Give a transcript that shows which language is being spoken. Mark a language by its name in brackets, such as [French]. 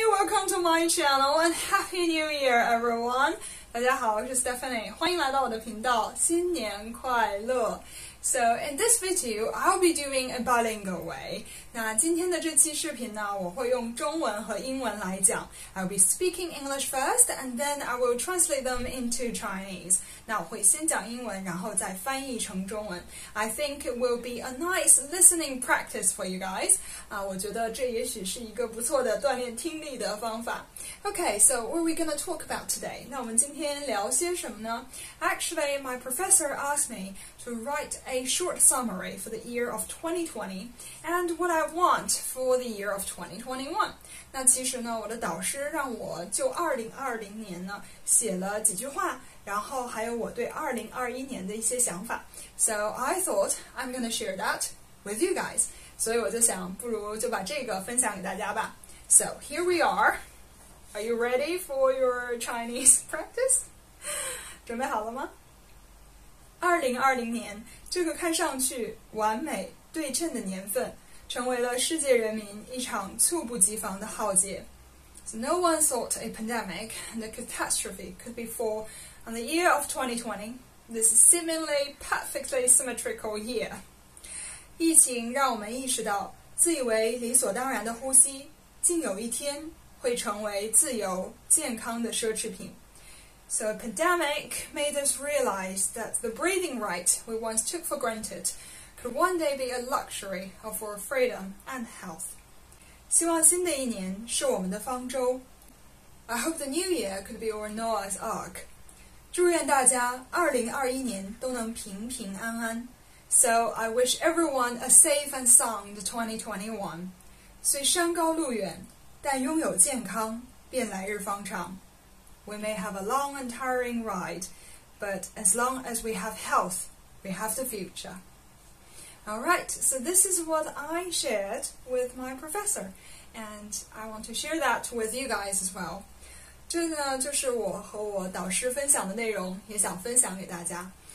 [English] Welcome to my channel and Happy New Year, everyone. [Chinese] 大家好，我是 Stephanie， 欢迎来到我的频道，新年快乐。 [English] So in this video, I'll be doing a bilingual way. [Chinese] 那今天的这期视频呢，我会用中文和英文来讲。 [English] I'll be speaking English first, and then I will translate them into Chinese. [Chinese] 那我会先讲英文，然后再翻译成中文。 [English] I think it will be a nice listening practice for you guys. [Chinese] 啊，我觉得这也许是一个不错的锻炼听力的方法。 [English] Okay, so what are we going to talk about today? [Chinese] 那我们今天聊些什么呢？ [English] Actually, my professor asked me to write a short summary for the year of 2020 and what I want for the year of 2021. [Chinese] 那其实呢，我的导师让我就2020年呢写了几句话，然后还有我对2021年的一些想法。 [English] So I thought I'm going to share that with you guys. [Chinese] 所以我就想，不如就把这个分享给大家吧。 [English] So here we are. Are you ready for your Chinese practice? [Chinese] 准备好了吗？ 2020年，这个看上去完美对称的年份，成为了世界人民一场猝不及防的浩劫。 [English] So no one thought a pandemic and a catastrophe could befall on the year of 2020, this seemingly perfectly symmetrical year. [Chinese] 疫情让我们意识到，自以为理所当然的呼吸，竟有一天会成为自由健康的奢侈品。 [English] So a pandemic made us realize that the breathing right we once took for granted could one day be a luxury of our freedom and health. [Chinese] 希望新的一年是我们的方舟。 [English] I hope the new year could be our Noah's Ark. [Chinese] 祝愿大家2021年都能平平安安。 [English] So I wish everyone a safe and sound 2021. [Chinese] 虽山高路远但拥有健康便来日方长。 [English] We may have a long and tiring ride, but as long as we have health, we have the future. Alright, so this is what I shared with my professor, and I want to share that with you guys as well. [Chinese] 这呢就是我和我导师分享的内容，也想分享给大家。